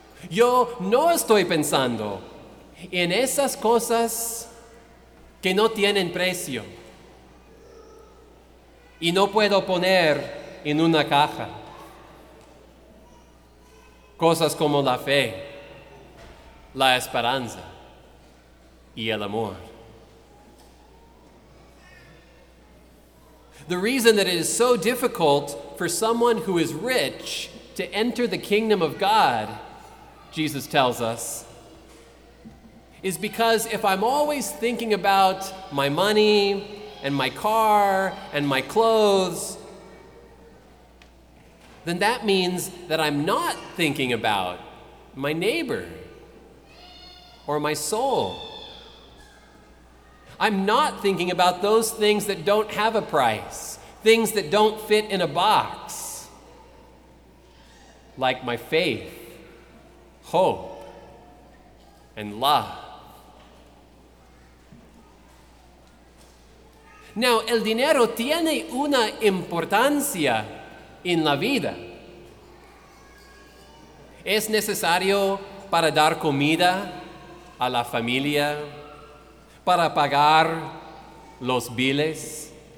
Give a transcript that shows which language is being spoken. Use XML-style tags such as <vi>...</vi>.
<es>Yo no estoy pensando en esas cosas que no tienen precio y no puedo poner en una caja. cosas como la fe, la esperanza y el amor.</es> <en>The reason that it is so difficult for someone who is rich to enter the kingdom of God, Jesus tells us, is because if I'm always thinking about my money and my car and my clothes, then that means that I'm not thinking about my neighbor or my soul. I'm not thinking about those things that don't have a price, things that don't fit in a box, like my faith, hope, and love.</en> <es>Now, el dinero tiene una importancia en la vida. Es necesario para dar comida a la familia, para pagar los biles.</es>